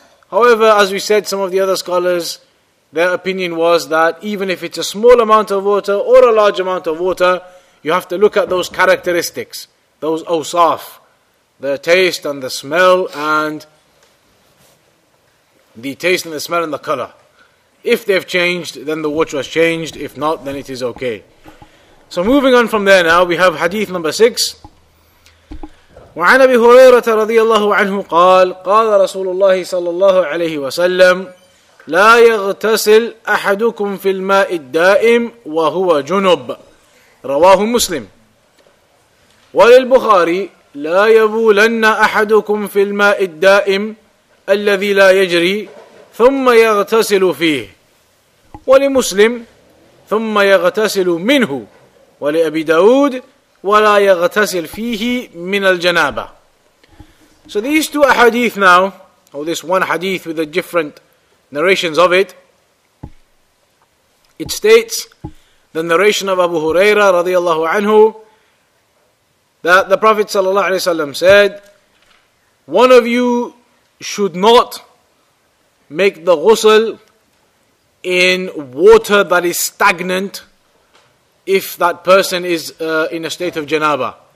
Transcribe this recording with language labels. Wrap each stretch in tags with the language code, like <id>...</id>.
<en>However, as we said, some of the other scholars, their opinion was that even if it's a small amount of water or a large amount of water, you have to look at those characteristics, those awsaf. The taste and the smell and the taste and the smell and the color. If they've changed, then the water has changed. If not, then it is okay. So moving on from there now, we have hadith number 6.</en> <ar>وعن أبي هريرة رضي الله عنه قال قال رسول الله صلى الله عليه وسلم لا يغتسل أحدكم في الماء الدائم وهو جنب رواه مسلم وللبخاري لا يبولن أحدكم في الماء الدائم الذي لا يجري ثم يغتسل فيه ولمسلم ثم يغتسل منه ولأبي داود ولا يغتسل فيه من الجنابة.</ar> <en>So these two ahadith now, or this one hadith with the different narrations of it, it states the narration of Abu Huraira</en> <ar>رضي الله عنه</ar> <en>that the Prophet ﷺ said, one of you should not make the ghusl in water that is stagnant if that person is in a state of janaba.</en>